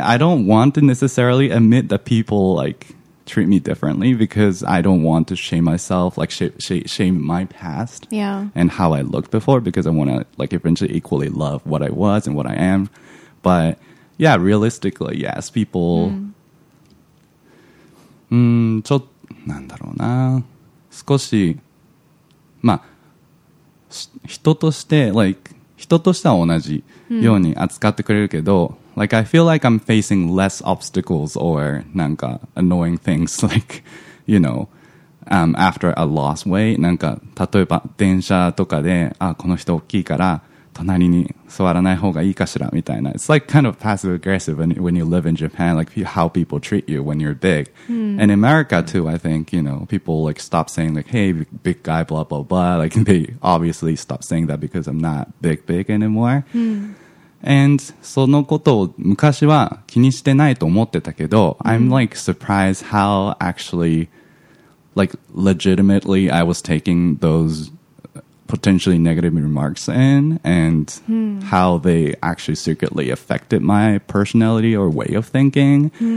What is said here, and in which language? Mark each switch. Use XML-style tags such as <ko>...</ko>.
<en>I don't want to necessarily admit that people, like,treat me differently because I don't want to shame myself, like shame my past, yeah, and how I looked before, because I want to like eventually equally love what I was and what I am. But yeah, realistically, yes, people.</en> <ja>ちょっとなんだろうな、少しまあ人として like 人としては同じように扱ってくれるけど。</ja> <en>Like, I feel like I'm facing less obstacles or なんか annoying things, like, you know, after a lost weight.</en> <ja>なんか例えば電車とかで、あ、この人大きいから隣に座らない方がいいかしらみたいな。</ja> <en>It's like kind of passive aggressive when you live in Japan, like how people treat you when you're big. And in America too, I think, you know, people like stop saying like, hey, big guy, blah, blah, blah. Like, they obviously stop saying that because I'm not big, big anymore. And</en> <ja>そのことを昔は気にしてないと思ってたけど、</ja> <en>I'm like surprised how actually, like legitimately I was taking those potentially negative remarks in and how they actually secretly affected my personality or way of thinking.</en>